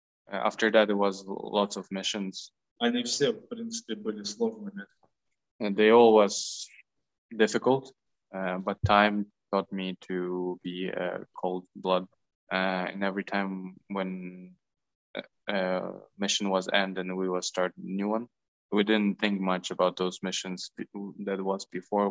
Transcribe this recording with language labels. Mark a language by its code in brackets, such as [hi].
[en] After that, it was lots of missions. And they [ru] все, в принципе, были сложными. [en] They all was difficult, but time taught me to be cold blood. And every time when a mission was end and we was start a new one, we didn't think much about those missions that was before.